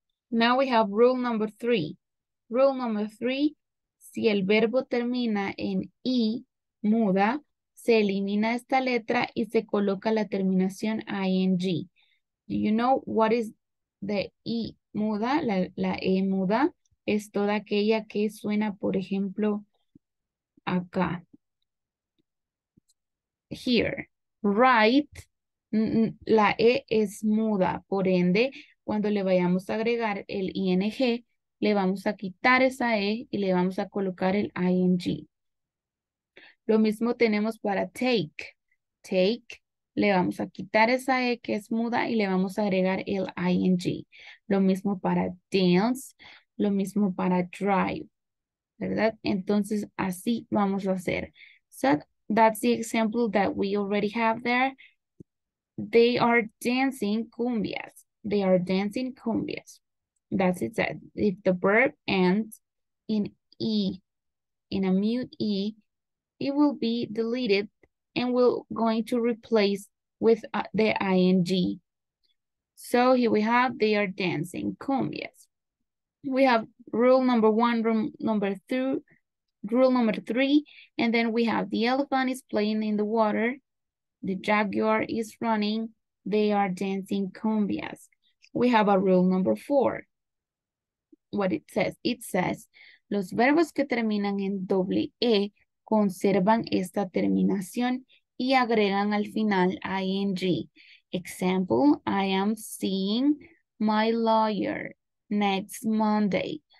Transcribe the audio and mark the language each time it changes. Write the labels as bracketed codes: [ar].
[en] Now we have rule number three. Rule number three, [es] si el verbo termina en I, muda, se elimina esta letra y se coloca la terminación ing. [en] Do you know what is the I muda? [es] La E muda es toda aquella que suena, por ejemplo, acá. [en] Here, right, [es] la E es muda, por ende, cuando le vayamos a agregar el ING, le vamos a quitar esa E y le vamos a colocar el ING. Lo mismo tenemos para take. Take, le vamos a quitar esa E que es muda y le vamos a agregar el ING. Lo mismo para dance, lo mismo para drive, ¿verdad? Entonces, así vamos a hacer. [en] That's the example that we already have there. They are dancing cumbias. They are dancing cumbias. That's it. If the verb ends in E, in a mute E, it will be deleted and we're going to replace with the ing. So here we have, they are dancing cumbias. We have rule number one, rule number two, rule number three, and then we have the elephant is playing in the water, the jaguar is running, they are dancing cumbias. We have a rule number four. What it says? It says, [es] los verbos que terminan en doble E conservan esta terminación y agregan al final ing. [en] Example, I am seeing my lawyer next Monday.